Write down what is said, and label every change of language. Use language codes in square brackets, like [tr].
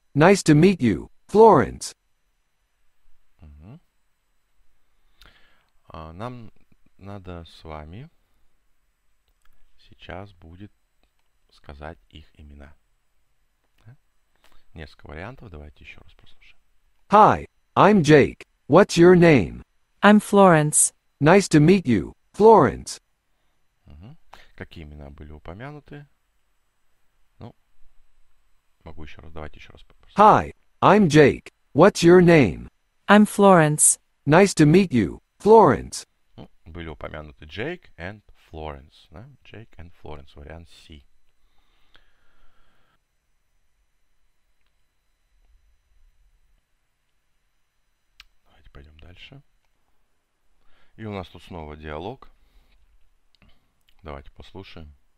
[en] Nice to meet you, Florence. [ru] Нам надо с вами сейчас будет сказать их имена. Несколько вариантов. Давайте еще раз послушаем. [en] Hi, I'm Jake. What's your name? I'm Florence. Nice to meet you, Florence. [ru] Какие имена были упомянуты? Ну, могу еще раз. Давайте еще раз послушаем. [en] Hi, I'm Jake. What's your name? I'm Florence. Nice to meet you, Florence. [ru] Ну, были упомянуты Jake and Florence. Да? Jake and Florence. Вариант C. Давайте пойдем дальше. И у нас тут снова диалог. Давайте послушаем.